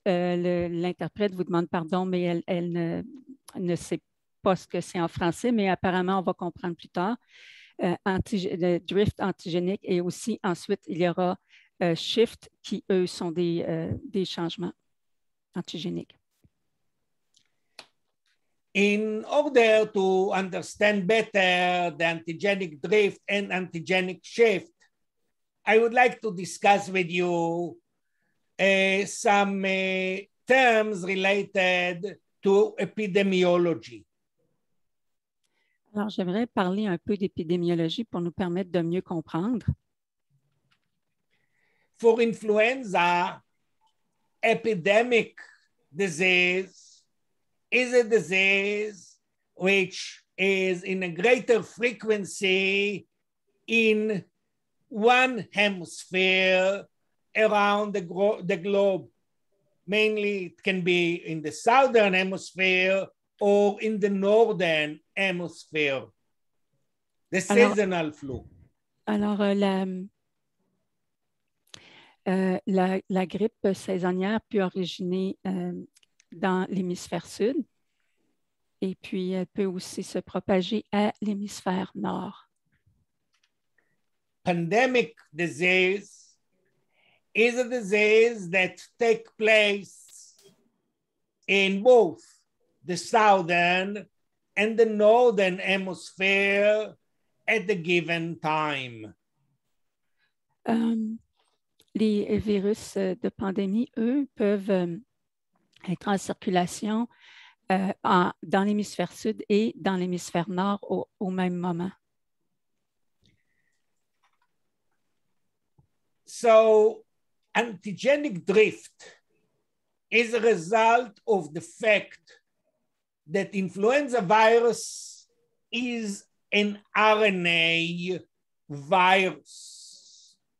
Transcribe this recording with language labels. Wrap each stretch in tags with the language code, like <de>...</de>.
<fr>L'interprète vous demande pardon, mais elle ne sait pas ce que c'est en français, mais apparemment, on va comprendre plus tard. Le drift antigénique et aussi ensuite, il y aura shift qui, eux, sont des changements antigéniques.</fr> <en>In order to understand better the antigenic drift and antigenic shift, I would like to discuss with you some terms related to epidemiology.</en> <fr>Alors, j'aimerais parler un peu d'épidémiologie pour nous permettre de mieux comprendre.</fr> <en>For influenza, epidemic disease is a disease which is in a greater frequency in one hemisphere around the globe. Mainly, it can be in the southern hemisphere or in the northern hemisphere, the seasonal alors, flu.</en> <fr>Alors, la grippe saisonnière peut originer dans l'hémisphère sud et puis elle peut aussi se propager à l'hémisphère nord.</fr> <en>Pandemic disease is a disease that takes place in both the southern and the northern hemisphere at the given time.</en> <fr>Les virus de pandémie, eux, peuvent être en circulation dans l'hémisphère sud et dans l'hémisphère nord au même moment.</fr> <en>So, antigenic drift is a result of the fact that influenza virus is an RNA virus.</en>